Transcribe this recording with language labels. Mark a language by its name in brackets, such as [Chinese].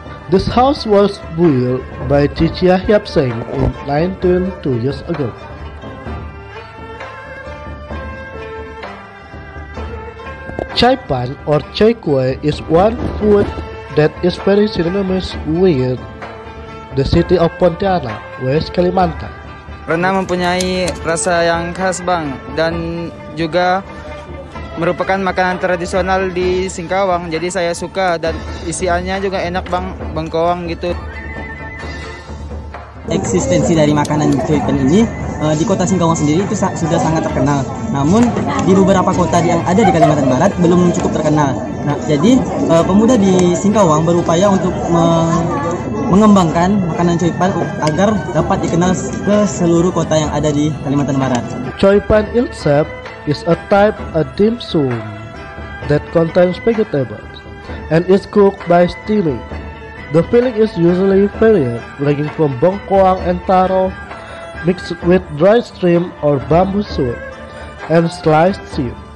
[English] This house was built by Cici Yahya Pseng 19 years ago. Chai pan or chai kueh is one food that is very synonymous with the city of Pontianak, West Kalimantan. [Indonesian] Rendang mempunyai rasa yang khas bang dan juga merupakan makanan tradisional di Singkawang. Jadi saya suka dan isiannya juga enak bang, bengkoang gitu. Eksistensi dari makanan choy pan ini di kota Singkawang sendiri itu sudah sangat terkenal. Namun di beberapa kota yang ada di Kalimantan Barat belum cukup terkenal. Nah, jadi pemuda di Singkawang berupaya untuk mengembangkan makanan choy pan agar dapat dikenal ke seluruh kota yang ada di Kalimantan Barat. [English] Choy pan itself is a type of dim sum that contains vegetables and is cooked by steaming. The filling is usually varied, ranging from bongkoang and taro, mixed with dried shrimp or bamboo soup, and sliced seed.